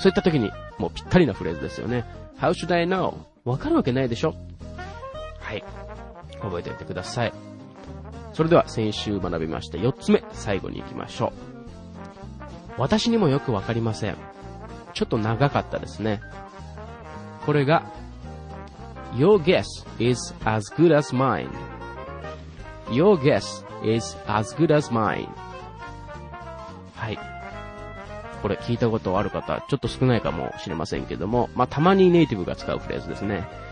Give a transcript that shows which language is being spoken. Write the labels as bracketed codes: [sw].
[ja] そういった時にもうぴったりなフレーズですよね。 [en] How should I know? [ja] わかるわけないでしょ。はい、覚えておいてください。それでは先週学びました4つ目、最後に行きましょう。私にもよくわかりません。ちょっと長かったですね。これが [en] Your guess is as good as mine. Your guess is as good as mine。 [ja] はい、これ聞いたことある方ちょっと少ないかもしれませんけども、まあたまにネイティブが使うフレーズですね。